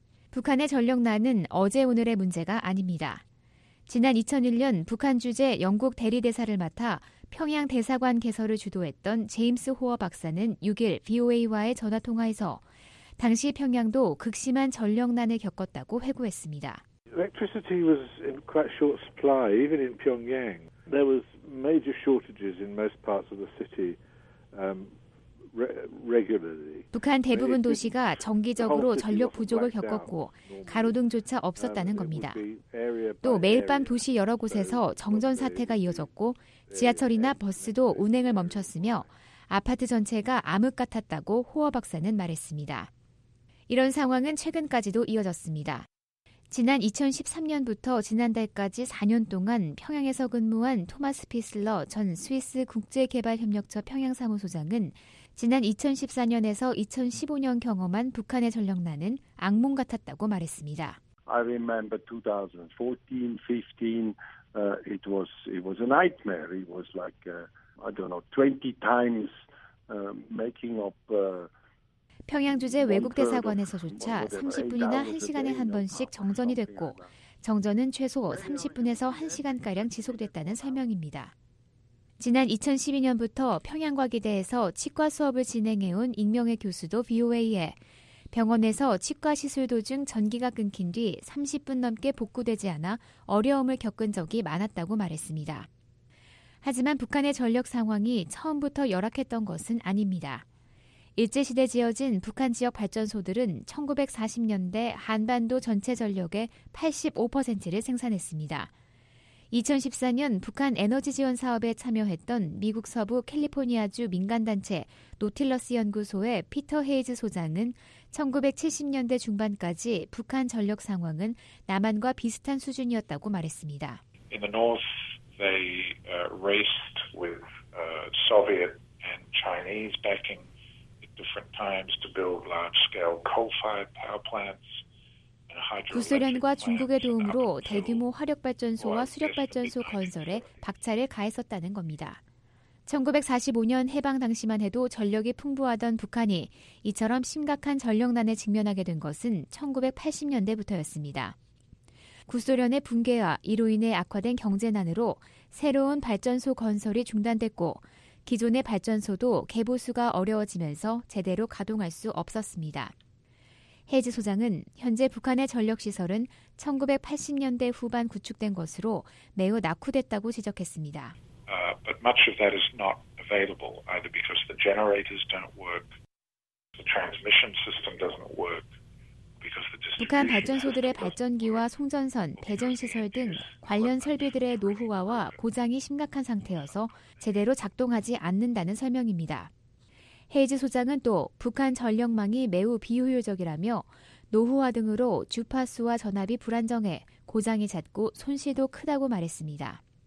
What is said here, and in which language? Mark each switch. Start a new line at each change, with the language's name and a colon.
Korean: 북한의 전력난은 어제오늘의 문제가 아닙니다. 지난 2001년 북한 주재 영국 대리대사를 맡아 평양 대사관 개설을 주도했던 제임스 호어 박사는 6일 VOA와의 전화통화에서 당시 평양도 극심한 전력난을 겪었다고 회고했습니다.
English: Electricity was in quite short supply, even in Pyongyang. There was major shortages in most parts of the city. Regularly.
Korean: 북한 대부분 도시가 정기적으로 전력 부족을 겪었고 가로등조차 없었다는 겁니다. 또 매일 밤 도시 여러 곳에서 정전 사태가 이어졌고 지하철이나 버스도 운행을 멈췄으며 아파트 전체가 암흑 같았다고 호어 박사는 말했습니다. 이런 상황은 최근까지도 이어졌습니다. 지난 2013년부터 지난달까지 4년 동안 평양에서 근무한 토마스 피슬러 전 스위스 국제개발협력처 평양사무소장은 지난 2014년에서 2015년 경험한 북한의 전력난은 악몽 같았다고 말했습니다.
English: I remember 2014, 15. It was a nightmare. It was like I don't know 20 times making up.
Korean: 평양 주재 외국 대사관에서조차 30분이나 1시간에 한 번씩 정전이 됐고 정전은 최소 30분에서 1시간가량 지속됐다는 설명입니다. 지난 2012년부터 평양과기대에서 치과 수업을 진행해온 익명의 교수도 VOA에 병원에서 치과 시술 도중 전기가 끊긴 뒤 30분 넘게 복구되지 않아 어려움을 겪은 적이 많았다고 말했습니다. 하지만 북한의 전력 상황이 처음부터 열악했던 것은 아닙니다. 일제시대 지어진 북한 지역 발전소들은 1940년대 한반도 전체 전력의 85%를 생산했습니다. 2014년 북한 에너지 지원 사업에 참여했던 미국 서부 캘리포니아주 민간단체 노틸러스 연구소의 피터 헤이즈 소장은 1970년대 중반까지 북한 전력 상황은 남한과 비슷한 수준이었다고 말했습니다.
English: In the north, they raced with Soviet and Chinese backing at different times to build large-scale coal-fired power plants.
Korean: 구소련과 중국의 도움으로 대규모 화력발전소와 수력발전소 건설에 박차를 가했었다는 겁니다. 1945년 해방 당시만 해도 전력이 풍부하던 북한이 이처럼 심각한 전력난에 직면하게 된 것은 1980년대부터였습니다. 구소련의 붕괴와 이로 인해 악화된 경제난으로 새로운 발전소 건설이 중단됐고 기존의 발전소도 개보수가 어려워지면서 제대로 가동할 수 없었습니다. 헤즈 소장은 현재 북한의 전력시설은 1980년대 후반 구축된 것으로 매우 낙후됐다고 지적했습니다.
English: But much of that is not available either because the generators don't work, the transmission system doesn't work.
Korean: 북한 발전소들의 발전기와 송전선, 배전시설 등 관련 설비들의 노후화와 고장이 심각한 상태여서 제대로 작동하지 않는다는 설명입니다. 헤이즈 소장은 또 북한 전력망이 매우 비효율적이라며 노후화 등으로 주파수와 전압이 불안정해 고장이 잦고 손실도 크다고 말했습니다.